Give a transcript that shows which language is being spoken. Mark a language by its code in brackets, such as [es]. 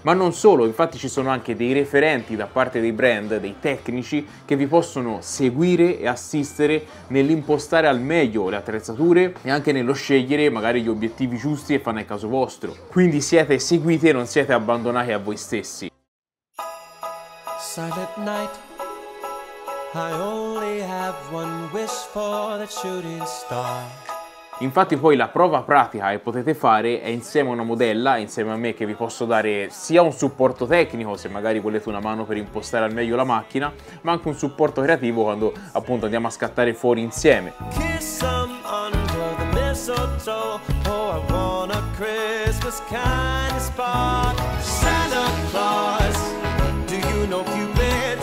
[it] Ma non solo, infatti ci sono anche dei referenti da parte dei brand, dei tecnici, che vi possono seguire e assistere nell'impostare al meglio le attrezzature e anche nello scegliere magari gli obiettivi giusti e fanno il caso vostro. Quindi siete seguiti e non siete abbandonati a voi stessi. [en] Silent Night, I only have one wish for the shooting star. [it] Infatti poi la prova pratica che potete fare è insieme a una modella, insieme a me, che vi posso dare sia un supporto tecnico se magari volete una mano per impostare al meglio la macchina, ma anche un supporto creativo quando appunto andiamo a scattare fuori insieme. [en] Kiss them under the mistletoe. Oh, I want a Christmas kind of spot. Santa Claus, do you know Cupid?